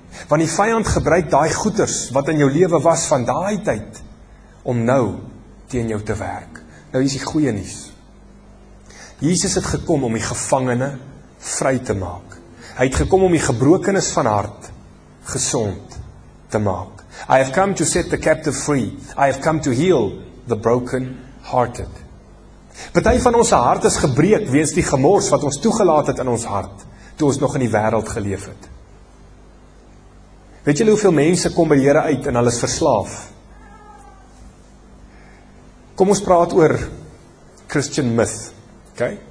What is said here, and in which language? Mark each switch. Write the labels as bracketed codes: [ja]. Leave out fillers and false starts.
[af] Want die vyand gebruik daai goeders wat in jou lewe was van daai tyd om nou teen jou te werk. Nou is die goeie nuus. Jesus het gekom om die gevangene vry te maak. Hy het gekom om die gebrokenes van hart gesond te maak. [en] I have come to set the captive free. I have come to heal the broken hearted. [af] Party van ons hart is gebreek weens die gemors wat ons toegelaat het in ons hart toe ons nog in die wêreld geleef het. Weet julle hoeveel mense kom by die Here uit en hulle is verslaaf? Kom ons praat oor Christian myth. OK?